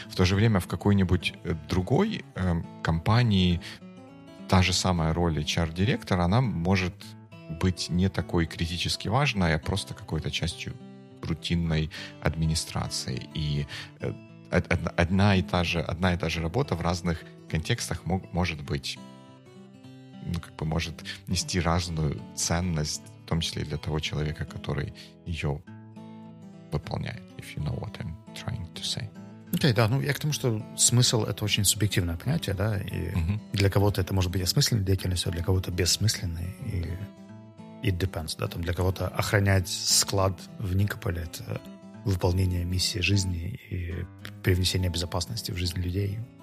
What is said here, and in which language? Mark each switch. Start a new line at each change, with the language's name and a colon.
Russian: В то же время в какой-нибудь другой компании та же самая роль HR-директора, она может быть не такой критически важной, а просто какой-то частью рутинной администрации. И одна и та же работа в разных контекстах может быть, ну, как бы может нести разную ценность, в том числе и для того человека, который ее выполняет.
English: If you know what I'm trying to say.
Russian: Okay, да, ну я к тому, что смысл — это очень субъективное понятие, да, и для кого-то это может быть осмысленной деятельностью, а для кого-то бессмысленной, и
English: it depends,
Russian: да, там для кого-то охранять склад в Никополе — это выполнение миссии жизни и привнесение безопасности в жизнь людей.